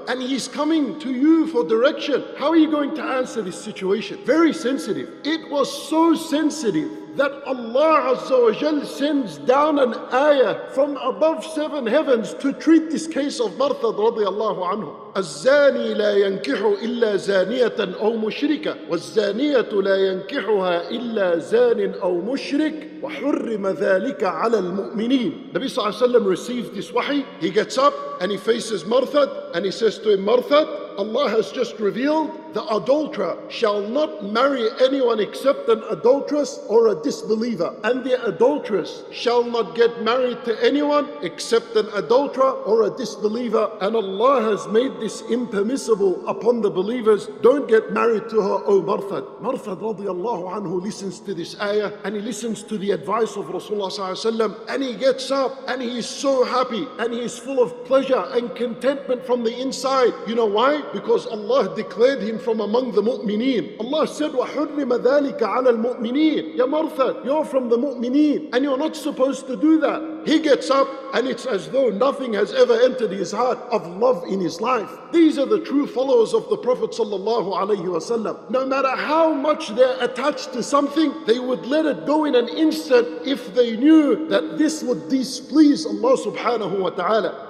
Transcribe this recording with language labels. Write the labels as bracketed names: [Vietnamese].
[English] And he's coming to you for direction. How are you going to answer this situation? Very sensitive. It was so sensitive that Allah Azza wa Jal sends down an ayah from above seven heavens to treat this case of Marthad radiallahu anhu. [Arabic] الزاني لا ينكح إلا زانية أو مشركة والزانية لا ينكحها إلا زان أو مشرك وحرم ذلك على المؤمنين. [English] Nabi صلى الله عليه وسلم received this wahi. He gets up and he faces Marthad and he says to him, Marthad, Allah has just revealed the adulterer shall not marry anyone except an adulteress or a disbeliever, and the adulteress shall not get married to anyone except an adulterer or a disbeliever, and Allah has made this impermissible upon the believers. Don't get married to her, O Marthad. Marthad radiallahu anhu listens to this ayah and he listens to the advice of Rasulullah sallallahu alayhi wa sallam, and he gets up and he is so happy and he is full of pleasure and contentment from the inside. You know why? Because Allah declared him from among the mu'mineen. Allah said, [Arabic] وَحُرِّمَ ذَلِكَ عَلَى الْمُؤْمِنِينَ. [English] Ya Marthad, you're from the mu'mineen and you're not supposed to do that. He gets up and it's as though nothing has ever entered his heart of love in his life. These are the true followers of the Prophet sallallahu alayhi wa sallam. No matter how much they're attached to something, they would let it go in an instant if they knew that this would displease Allah subhanahu wa ta'ala.